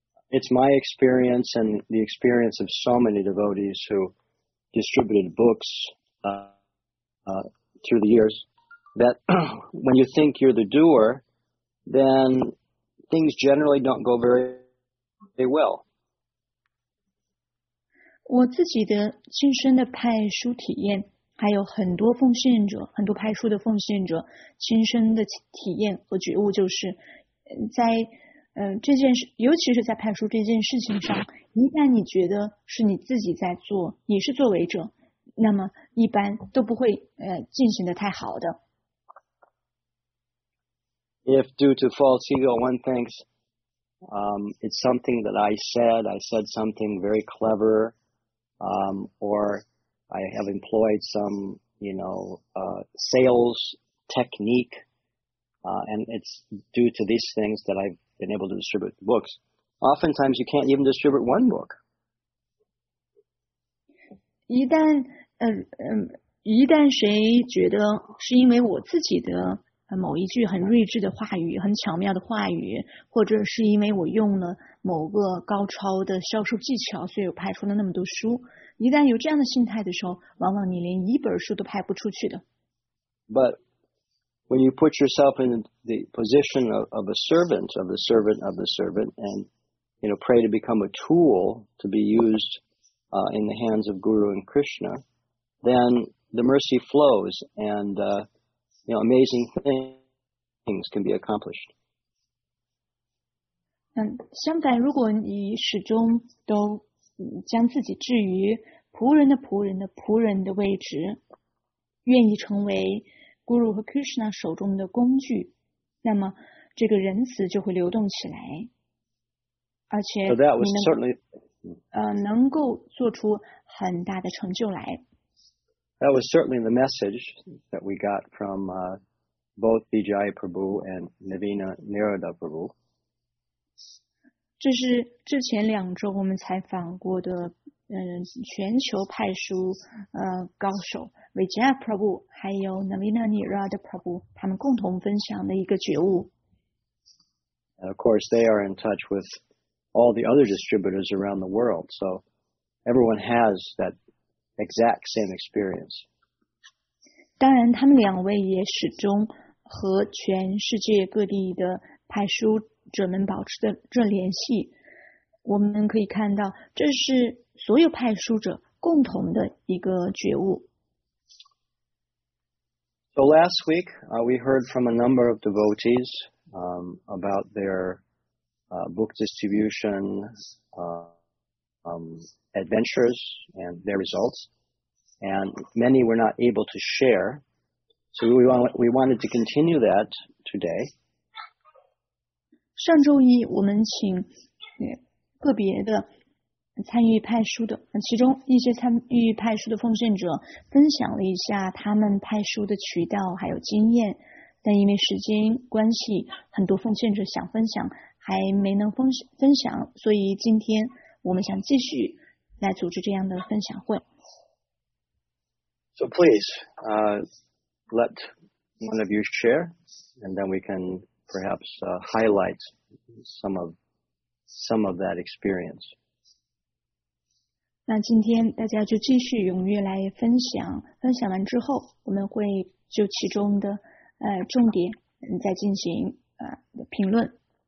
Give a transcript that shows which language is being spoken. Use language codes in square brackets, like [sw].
[en] It's my experience and the experience of so many devotees who distributed books through the years that when you think you're the doer, then things generally don't go very well. [zh] 我自己的亲身的派书体验，还有很多奉献者，很多派书的奉献者亲身的体验和觉悟，就是在这件事，尤其是在派书这件事情上，一旦你觉得是你自己在做，你是作为者，那么一般都不会进行的太好的。 [en] If due to false ego one thinks, it's something that I said something very clever, or I have employed some, sales technique, and it's due to these things that I've been able to distribute the books. Oftentimes, you can't even distribute one book. [zh] 一旦谁觉得是因为我自己的某一句很睿智的话语，很巧妙的话语，或者是因为我用了某个高超的销售技巧，所以我拍出了那么多书。一旦有这样的心态的时候，往往你连一本书都拍不出去的。 [en] But when you put yourself in the position of a servant, of the servant, of the servant, and you know, pray to become a tool to be used in the hands of Guru and Krishna, then the mercy flows and you know, amazing things can be accomplished. [zh] 相反，如果你始终都将自己置于仆人的仆人的仆人的位置，愿意成为 Guru 和 Krishna 手中的工具，那么这个仁慈就会流动起来，而且你能够做出很大的成就来。 [en] That was certainly the message that we got from both Vijaya Prabhu and Navina Narada Prabhu. [zh] 这是之前两周我们采访过的全球派书高手 Vijaya Prabhu 还有 Navina Narada Prabhu 他们共同分享的一个觉悟。 [en] And of course, they are in touch with all the other distributors around the world, so everyone has that. Exact same experience. [zh] 当然，他们两位也始终和全世界各地的派书者们保持着联系。我们可以看到，这是所有派书者共同的一个觉悟。 [en] So last week, we heard from a number of devotees about their book distribution. Adventures and their results, and many were not able to share. So we wanted to continue that today. [zh] 上周一我们请个别的参与派书的，其中一些参与派书的奉献者分享了一下他们派书的渠道还有经验，但因为时间关系，很多奉献者想分享还没能分享，所以今天我们想继续来组织这样的分享会。 [en] So please, let one of you share, and then we can perhaps highlight some of that experience. [zh] 那今天大家就继续踊跃来分享，分享完之后，我们会就其中的重点再进行评论。